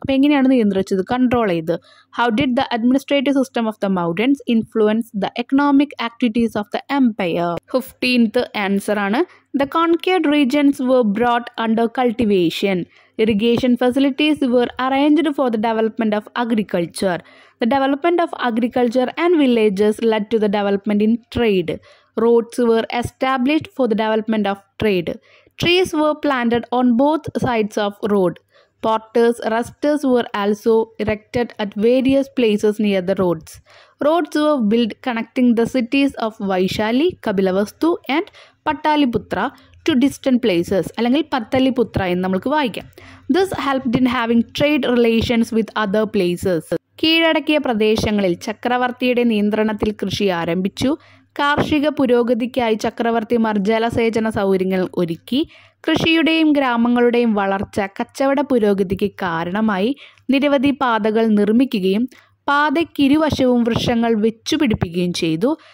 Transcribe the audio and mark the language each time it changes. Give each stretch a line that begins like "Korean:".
Malayalam: അപ്പോൾ എങ്ങനെയാണ് നിയന്ത്രിച്ചത്, കൺട്രോൾ ചെയ്ത്?
English: How did the administrative system of the Mauryans influence the economic activities of the empire? 15th
Malayalam: answer ആണ്.
English: The conquered regions were brought under cultivation. Irrigation facilities were arranged for the development of agriculture. The development of agriculture and villages led to the development in trade. Roads were established for the development of trade. Trees were planted on both sides of road. Porters, rusters were also erected at various places near the roads. Roads were built connecting the cities of Vaishali, Kapilavastu and Pataliputra to distant places.
Malayalam: അല്ലെങ്കിൽ പത്തലിപുത്ര എന്ന് നമുക്ക് വായിക്കാം.
English: This helped in having trade relations with other places.
Malayalam: കീഴടക്കിയ പ്രദേശങ്ങളിൽ ചക്രവർത്തിയുടെ നിയന്ത്രണത്തിൽ കൃഷി ആരംഭിച്ചു. കാർഷിക പുരോഗതിക്കായി ചക്രവർത്തിമാർ ജലസേചന സൗകര്യങ്ങൾ ഒരുക്കി. കൃഷിയുടെയും ഗ്രാമങ്ങളുടെയും വളർച്ച കച്ചവട പുരോഗതിക്ക് കാരണമായി. നിരവധി പാതകൾ നിർമ്മിക്കുകയും പാതയ്ക്കിരുവശവും വൃക്ഷങ്ങൾ വെച്ചുപിടിപ്പിക്കുകയും ചെയ്തു.